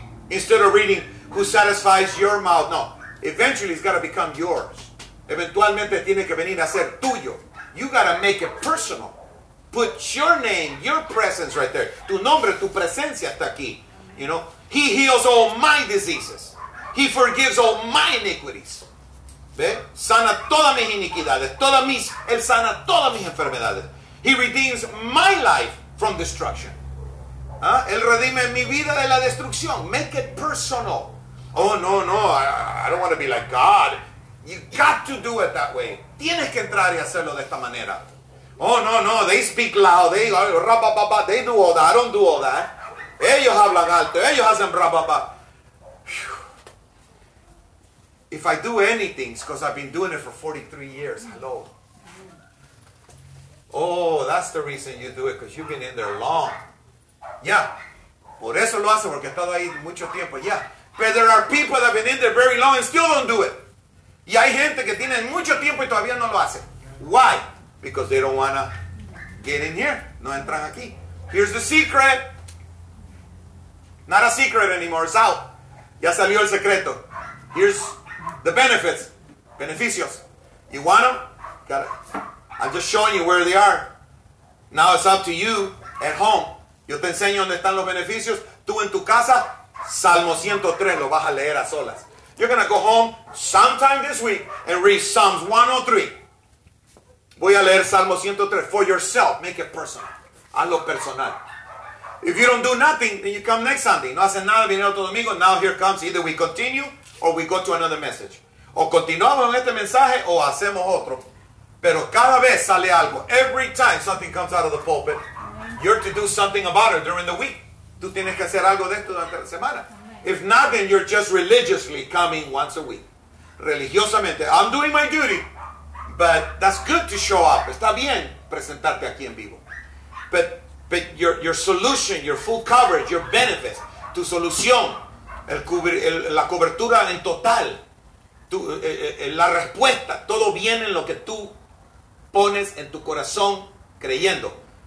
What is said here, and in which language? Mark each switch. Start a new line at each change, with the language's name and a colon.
English: Instead of reading, who satisfies your mouth? No. Eventually, it's got to become yours.
Spanish: Eventualmente, tiene que venir a ser tuyo.
English: You got to make it personal. Put your name, your presence right there.
Spanish: Tu nombre, tu presencia está aquí.
English: You know? He heals all my diseases. He forgives all my iniquities.
Spanish: ¿Ve? Sana todas mis iniquidades, todas mis, él sana todas mis enfermedades.
English: He redeems my life from destruction. ¿Ah?
Spanish: Él redime mi vida de la destrucción.
English: Make it personal. Oh, no, no, I don't want to be like God. You got to do it that way.
Spanish: Tienes que entrar y hacerlo de esta manera.
English: Oh, no, no, they speak loud. They, rah-bah-bah-bah. They do all that. I don't do all that.
Spanish: Ellos hablan alto. Ellos hacen rah-bah-bah.
English: If I do anything, it's because I've been doing it for 43 years. Hello. Oh, that's the reason you do it, because you've been in there long. Yeah.
Spanish: Por eso lo hace, porque he estado ahí mucho tiempo.
English: Yeah. But there are people that have been in there very long and still don't do it.
Spanish: Y hay gente que tiene mucho tiempo y todavía no lo hace.
English: Why? Because they don't want to get in here.
Spanish: No entran aquí.
English: Here's the secret. Not a secret anymore. It's out.
Spanish: Ya salió el secreto.
English: Here's the benefits. Beneficios. You want them? Got it. I'm just showing you where they are. Now it's up to you at home.
Spanish: Yo te enseño dónde están los beneficios. Tú en tu casa, Salmo 103, lo vas a leer a solas.
English: You're going to go home sometime this week and read Psalms 103.
Spanish: Voy a leer Salmo 103
English: for yourself. Make it personal.
Spanish: Hazlo personal.
English: If you don't do nothing, then you come next Sunday.
Spanish: No hacen nada, viene otro domingo.
English: Now here comes, either we continue or we go to another message.
Spanish: O continuamos este mensaje o hacemos otro. Pero cada vez sale algo.
English: Every time something comes out of the pulpit, you're to do something about it during the week.
Spanish: Tú tienes que hacer algo de esto durante la semana.
English: If not, then you're just religiously coming once a week.
Spanish: Religiosamente.
English: I'm doing my duty. But that's good to show up.
Spanish: Está bien presentarte aquí en vivo.
English: But your solution, your full coverage, your benefits,
Spanish: tu solución, la cobertura en total, la respuesta, todo viene en lo que tú pones en tu corazón creyendo.